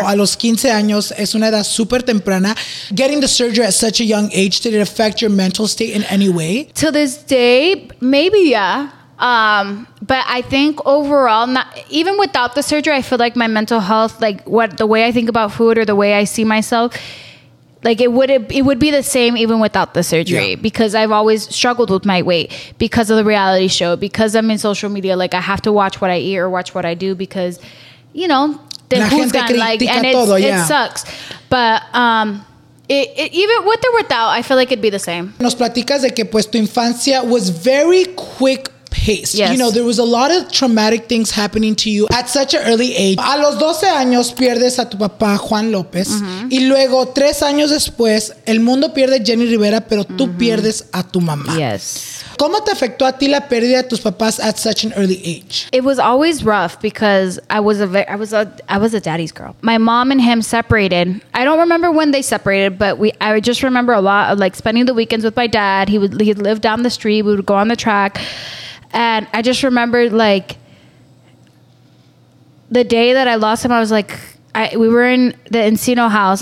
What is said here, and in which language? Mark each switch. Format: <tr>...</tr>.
<es>A los 15 años es una edad super temprana.</es> <en>Getting the surgery at such a young age, did it affect your mental state in any way? To this day, maybe, yeah. But I think overall, even without the surgery, I feel like my mental health, like the way I think about food or the way I see myself, like it would be the same even without the surgery because I've always struggled with my weight because of the reality show, because I'm in social media, like I have to watch what I eat or watch what I do because, you know, then who's gonna like, and it sucks. But even with or without, I feel like it'd be the same.</en> <es>Nos platicas de que pues tu infancia</es> <en>was very quick paced. Yes. You know, there was a lot of traumatic things happening to you at such an early age.</en> <es>A los 12 años pierdes a tu papá Juan López. Mm-hmm. Y luego 3 años después el mundo pierde Jenny Rivera, pero tú pierdes a tu mamá.</es> <en>Yes.</en> <es>¿Cómo te afectó a ti la pérdida de tus papás</es> <en>at such an early age? It was always rough because I was a daddy's girl. My mom and him separated. I don't remember when they separated, but I just remember a lot of like spending the weekends with my dad. He lived down the street. We would go on the track. And I just remember, like, the day that I lost him, I was like, we were in the Encino house.</en>